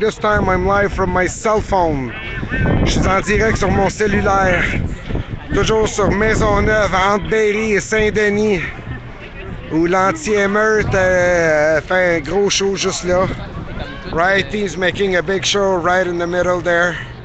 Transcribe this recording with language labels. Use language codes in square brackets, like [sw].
[en] This time I'm live from my cell phone. [fr] Je suis en direct sur mon cellulaire. Toujours sur Maisonneuve, entre Berry et Saint-Denis, où l'anti-émeute fait un gros show juste là. [en] Righty's making a big show right in the middle there.